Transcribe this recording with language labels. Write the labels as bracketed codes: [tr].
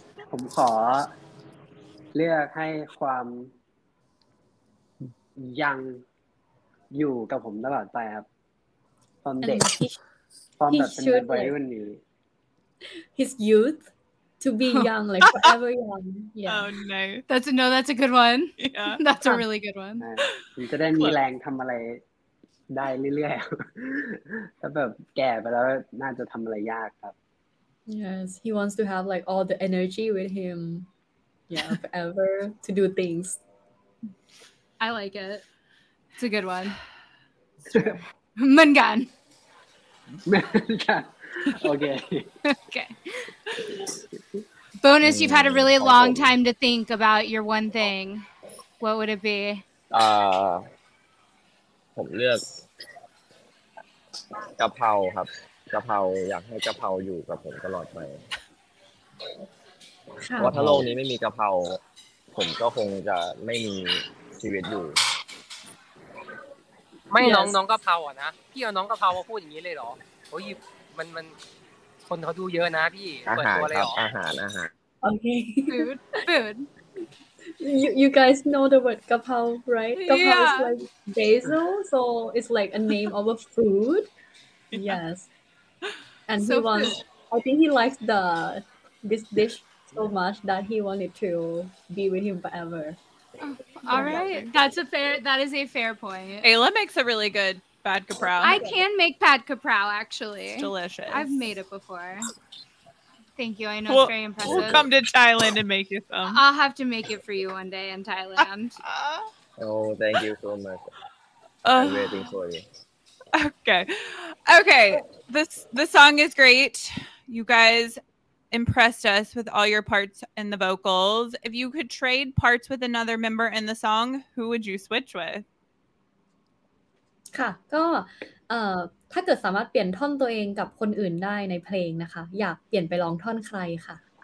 [th] ผมขอเลือกให้ความยังอยู่กับผมตลอดไปครับตอนเด็กตอนแบบเป็นวัยรุ่นนี้ [en] His youth to be young like forever young. Yeah. Oh no. That's no. That's a good one. Yeah. That's a really good one. [th] ผมจะได้มีแรงทำอะไรได้เรื่อยๆถ้าแบบแก่ไปแล้วน่าจะทำอะไรยากครับ [en] Yes he wants to have like all the energy with him yeah forever to do things I like it it's a good one มันกัน [th] มันกันโอเค [en] โอเค bonus you've had a really long time to think about your one thing what would it be [th] ผมเลือกกะเพราครับกะเพราอยากให้กะเพราอยู่กับผมตลอดไปเพราะถ้าโลกนี้ไม่มีกะเพราผมก็คงจะไม่มีชีวิตอยู่ไม่น้องน้องกะเพราอ่ะนะพี่เอาน้องกะเพรามาพูดอย่างนี้เลยเหรอโหยมันคนเขาดูเยอะนะพี่ อาหารครับอาหารอาหาร โอเค ฟืดฟืด [en] You guys know the word gapao, right? Gapao yeah. is like basil, so it's like a name of a food. Yeah. Yes. And so he wants, I think he likes this dish so much that he wanted to be with him forever. All right. That's a fair, that is a fair point. Ayla makes a really good pad kaprao. I can make pad kaprao, actually. It's delicious. I've made it before. Thank you. I know it's very impressive. We'll come to Thailand and make you some. I'll have to make it for you one day in Thailand. Oh, thank you so much. I'm waiting for you. Okay. Okay. The song is great. You guys impressed us with all your parts in the vocals. If you could trade parts with another member in the song, who would you switch with? [th] ค่ะก็ถ้าเกิดสามารถเปลี่ยนท่อนตัวเองกับคนอื่นได้ในเพลงนะคะอยากเปลี่ยนไปลองท่อนใครค่ะ